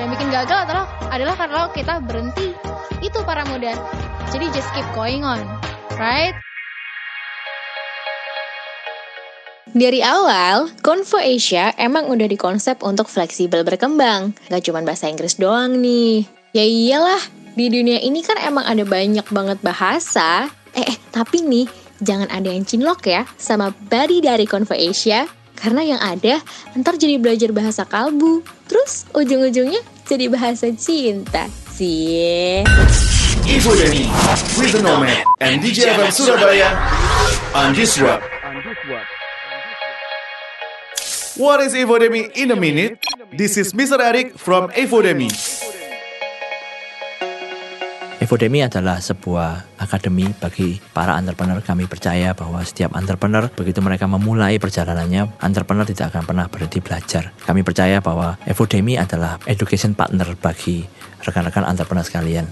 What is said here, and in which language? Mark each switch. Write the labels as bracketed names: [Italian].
[Indonesian] Yang bikin gagal adalah karena kita berhenti. Itu para muda. Jadi [English] just keep going on, right? [Indonesian] Dari awal, Konvo Asia emang udah dikonsep untuk fleksibel berkembang. Gak cuma bahasa Inggris doang nih. Ya iyalah, di dunia ini kan emang ada banyak banget bahasa. Tapi nih, jangan ada yang cinlok ya sama buddy dari Konvo Asia. Karena yang ada, ntar jadi belajar bahasa kalbu, terus ujung-ujungnya jadi bahasa cinta. Cie. [English] Ivo Demi, With The Nomad, and DJ FM Surabaya, on this rock. What is Ivo Demi in a minute? This is Mr. Eric from Ivo Demi. [Indonesian] Ivodemi adalah sebuah akademi bagi para entrepreneur. Kami percaya bahwa setiap entrepreneur, begitu mereka memulai perjalanannya, entrepreneur tidak akan pernah berhenti belajar. Kami percaya bahwa Ivodemi adalah education partner bagi rekan-rekan entrepreneur sekalian.